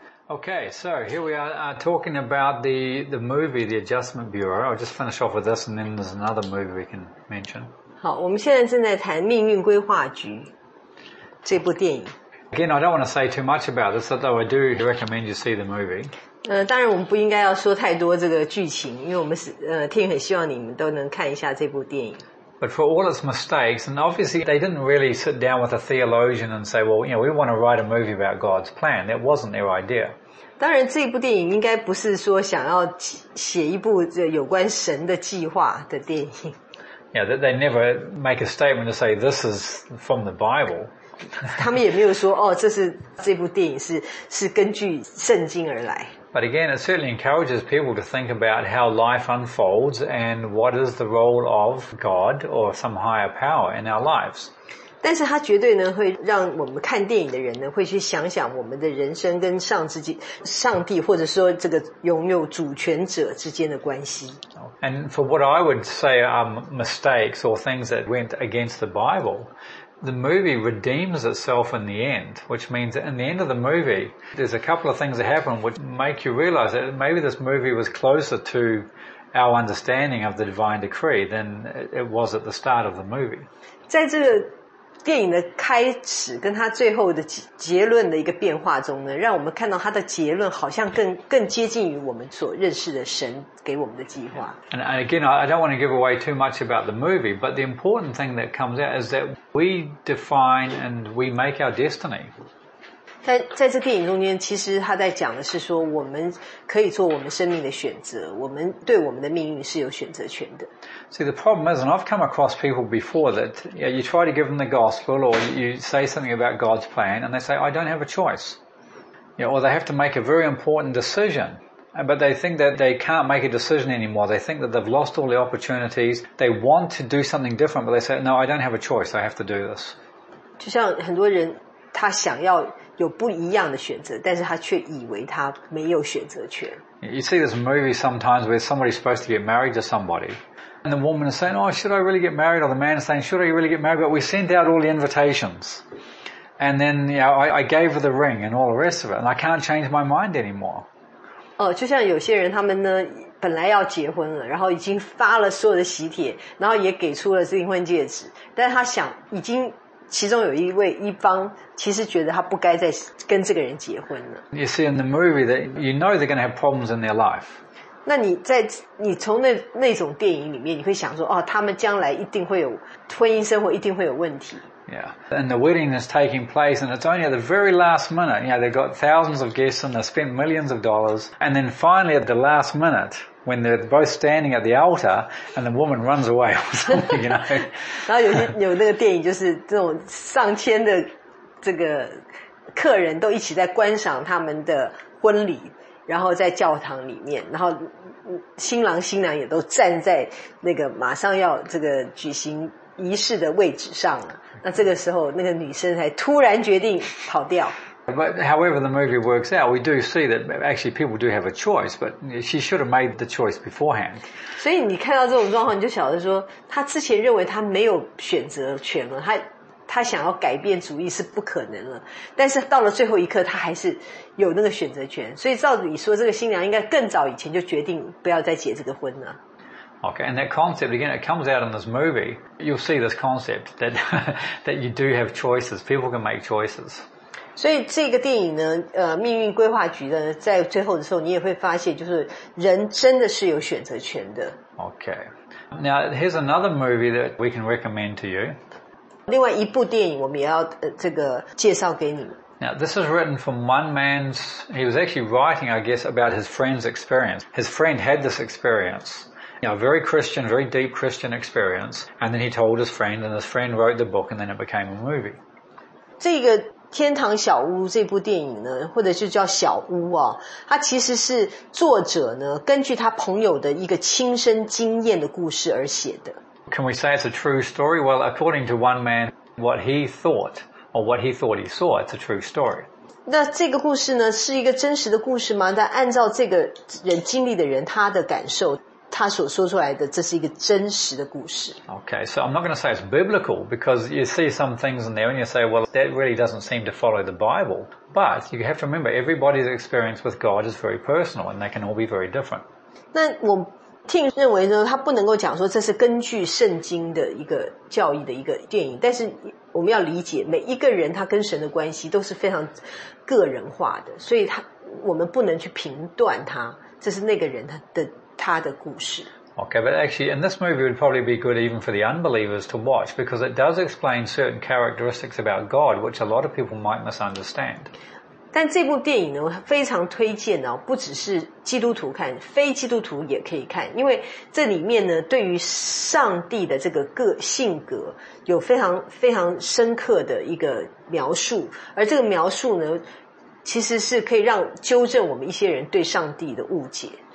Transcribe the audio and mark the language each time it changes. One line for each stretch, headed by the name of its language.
English: Okay, so here we are talking about the movie, The Adjustment Bureau. I'll just finish off with this, and then there's another movie we can mention.
Chinese: 好，我们现在正在谈《命运规划局》这部电影。
English: Again, I don't want to say too much about this, although I do recommend you see the movie.
Chinese: 当然我们不应该要说太多这个剧情，因为我们是听很希望你们都能看一下这部电影。
English: But for all its mistakes, and obviously they didn't really sit down with a theologian and say, well, you know, we want to write a movie about God's plan. That wasn't their idea.
Chinese: 当然这部电影应该不是说想要写一部有关神的计划的电影。
English: Yeah, that they never make a statement to say, this is from the Bible.
Chinese: 他们也没有说哦，这是这部电影是根据圣经而来。
English: But again, it certainly encourages people to think about how life unfolds and what is the role of God or some higher power in our lives.
Chinese: 但是它绝对呢会让我们看电影的人呢会去想想我们的人生跟上帝或者说这个拥有主权者之间的关系。
English: And for what I would say are mistakes or things that went against the Bible,The movie redeems itself in the end, which means that in the end of the movie, there's a couple of things that happen which make you realize that maybe this movie was closer to our understanding of the divine decree than it was at the start of the movie.
Chinese: 在这个电影的开始跟它最后的结论的一个变化中呢，让我们看到它的结论好像更接近于我们所认识的神给我们的计划。
English: And again, I don't want to give away too much about the movie, but the important thing that comes out is that we define and we make our destiny.
Chinese: 在这电影中间，其实他在讲的是说，我们可以做我们生命的选择，我们对我们的命运是有选择权的。
English: See, the problem is, and I've come across people before that, you know, you try to give them the gospel or you say something about God's plan and they say, I don't have a choice. You know, or they have to make a very important decision. But they think that they can't make a decision anymore. They think that they've lost all the opportunities. They want to do something different, but they say, no, I don't have a choice. I have to do this.
Chinese: 就像很多人他想要有不一样的选择，但是他却以为他没有选择权。
English: You see this movie sometimes where somebody's supposed to get married to somebody. And the woman is saying, oh, should I really get married? Or the man is saying, should I really get married? But we sent out all the invitations. And then, you know, I gave her the ring and all the rest of it. And I can't change my mind anymore.
Chinese: 哦，就像有些人他们呢，本来要结婚了，然后已经发了所有的喜帖，然后也给出了订婚戒指。但是他想，已经其中有一方其实觉得他不该再跟这个人结婚了。
English: You see in the movie that you know they're going to have problems in their life.
Chinese: 那你从那种电影里面，你会想说，哦，他们将来一定会有婚姻生活，一定会有问题。
English: Yeah, and the wedding is taking place, and it's only at the very last minute. You know, they've got thousands of guests, and they've spent millions of dollars, and then finally at the last minute, when they're both standing at the altar, and the woman runs away or something, you know.
Chinese: 然后有那个电影，就是这种上千的这个客人都一起在观赏他们的婚礼。然后在教堂里面，然后新郎新娘也都站在那个马上要这个举行仪式的位置上了。那这个时候，那个女生才突然决定跑掉。
English: But however the movie works out, we do see that actually people do have a choice, but she should have made the choice beforehand.
Chinese: 所以你看到这种状况，你就晓得说，她之前认为她没有选择权了，她想要改变主意是不可能了，但是到了最后一刻，她还是有那个选择权。所以照理说，这个新娘应该更早以前就决定不要再结这个婚了。
English: Okay, and that concept again, it comes out in this movie. You'll see this concept that you do have choices. People can make choices.
Chinese: 所以这个电影呢，命运规划局呢，在最后的时候，你也会发现，就是人真的是有选择权的。
English: Okay, now here's another movie that we can recommend to you.
Chinese: 另外一部电影我们也要这个介绍给你们。
English: Now, this is written from one man's, he was actually writing, I guess, about his friend's experience. His friend had this experience, you know, very Christian, very deep Christian experience, and then he told his friend, and his friend wrote the book, and then it became a movie.
Chinese: 这个天堂小屋这部电影呢，或者就叫小屋啊，它其实是作者呢，根据他朋友的一个亲身经验的故事而写的。
English: Can we say it's a true story? Well, according to one man, what he thought, or what he thought he saw, it's a true story.
Chinese: 那这个故事呢，是一个真实的故事吗？但按照这个人经历的人，他的感受，他所说出来的这是一个真实的故事。
English: Okay, so I'm not going to say it's biblical because you see some things in there and you say, well, that really doesn't seem to follow the Bible. But you have to remember everybody's experience with God is very personal and they can all be very different.
Chinese: 那我听认为呢，他不能够讲说这是根据圣经的一个教义的一个电影，但是我们要理解每一个人他跟神的关系都是非常个人化的，所以他我们不能去评断他，这是那个人他的故事。
English: Okay, but actually in this movie would probably be good even for the unbelievers to watch because it does explain certain characteristics about God which a lot of people might misunderstand.
Chinese: 但这部电影呢非常推荐哦，不只是基督徒看，非基督徒也可以看，因为这里面呢对于上帝的这个个性格有非常非常深刻的一个描述，而这个描述呢其实是可以让纠正我们一些人对上帝的误解。